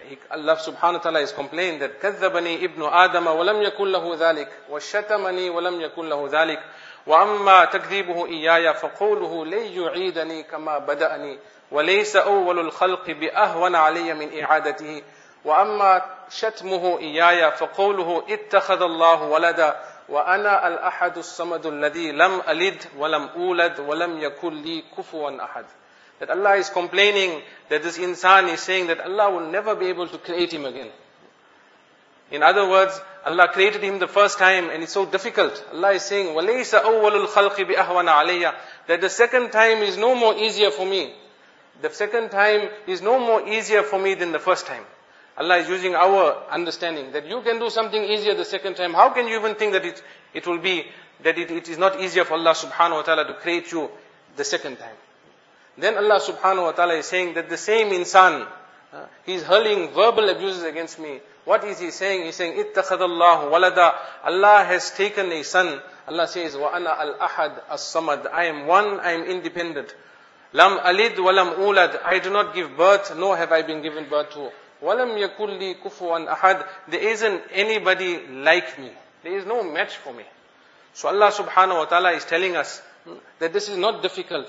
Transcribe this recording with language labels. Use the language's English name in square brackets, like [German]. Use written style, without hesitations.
[English] Allah subhanahu wa ta'ala is complained that [Arabic] كَذَّبَنِي إِبْنُ آدَمَ وَلَمْ يَكُنْ لَهُ ذَلِكَ وَشَتَمَنِي وَلَمْ يَكُنْ لَهُ ذَلِكَ وَأَمَّا تَكْذِيبُهُ إِيَّايَ فَقُولُهُ لَيْ يُعِيدَنِي كَمَا بَدَأَنِي وَلَيْسَ أَوَّلُ الْخَلْقِ بِأَهْوَنَ عَلَيَّ مِنْ إِعَادَتِهِ وَأَمَّا شَتْمُهُ إِيَّايَ فَقُولُهُ اتَّخَذَ اللَّهُ وَلَدًا وَأَنَا الْأَحَدُ الصَّمَدُ الَّذِي لَمْ أَلِدْ وَلَمْ أُولَدْ وَلَمْ يَكُلْ لِي كُفُوًا أَحَدٍ. [English] That Allah is complaining that this insan is saying that Allah will never be able to create him again. In other words, Allah created him the first time and it's so difficult. Allah is saying, [Arabic] وَلَيْسَ أَوَّلُ الْخَلْقِ بِأَهْوَنَ عَلَيَّ. [English] That the second time is no more easier for me. The second time is no more easier for me than the first time. Allah is using our understanding that you can do something easier the second time. How can you even think that it is not easier for Allah subhanahu wa ta'ala to create you the second time? Then Allah subhanahu wa ta'ala is saying that the same insan, he's hurling verbal abuses against me. What is he saying? He's saying, [Arabic] اتَّخَذَ اللَّهُ وَلَدًا. [English] Allah has taken a son. Allah says, [Arabic] وَأَنَا الْأَحَدُ الصَّمَدُ. [English] I am one, I am independent. [Arabic] لَمْ أَلِدْ وَلَمْ أُولَدْ. [English] I do not give birth, nor have I been given birth to. [Arabic] وَلَمْ يَكُلْ لِي كُفُوًا أَحَدٍ. [English] There isn't anybody like me. There is no match for me. So Allah subhanahu wa ta'ala is telling us that this is not difficult.